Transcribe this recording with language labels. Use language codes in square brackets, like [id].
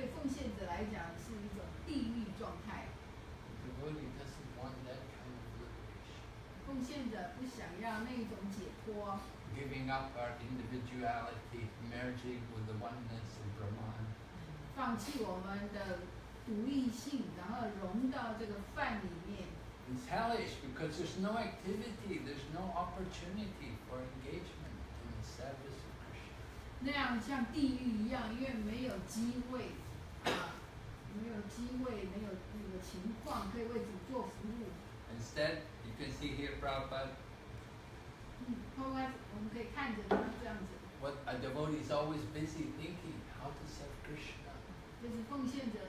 [zh] 提到呢，这个跟至尊组合而为一的那个所谓的快乐，对奉献者来讲是一种地狱状态。 [en] The devotee doesn't want that kind of liberation. [zh] 奉献者不想要那一种解脱。 [en] Giving up our individuality, merging with the oneness of Brahman. [zh] 放弃我们的独立性，然后融到这个饭里面。 [en] It's hellish because there's no activity, there's no opportunity for engagement in the service of Krishna. [zh] 那样像地狱一样，因为没有机会。没有机会，没有那个情况可以为主做服务。 [en] Instead, you can see here, Prabhupada. [zh] 我们可以看着他这样子。 [en] What a devotee is always busy thinking how to serve Krishna.